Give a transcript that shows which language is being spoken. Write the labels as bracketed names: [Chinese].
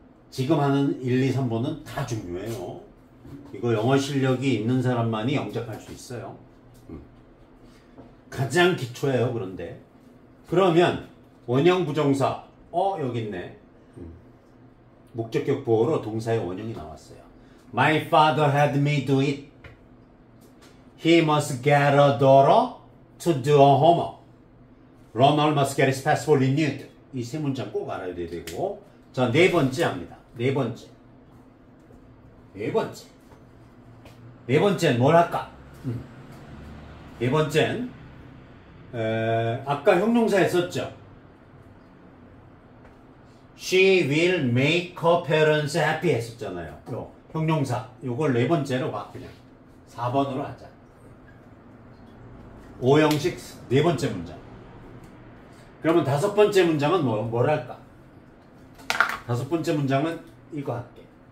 [Korean] 지금 하는 1, 2, 3번은 다 중요해요. 이거 영어 실력이 있는 사람만이 영작할 수 있어요. 가장 기초예요. 그런데 그러면 원형 부정사 여기 있네. 목적격 보호로 동사의 원형이 나왔어요. [English] My father had me do it. He He must get a daughter to do a homework. Ronald must get his passport renewed. [Korean] 이 세 문장 꼭 알아야 되고. 자, 네 번째 합니다. 네 번째. 네 번째. 네 번째는 뭘 할까? 네 번째는 아까 형용사 했었죠. [English] She will make her parents happy [Korean] 했었잖아요. 요 형용사 요걸 네 번째로 막 그냥 4번으로 하자. 5형식 네 번째 문장. 그러면 다섯 번째 문장은 뭘 할까? 다섯 번째 문장은 이거 할게.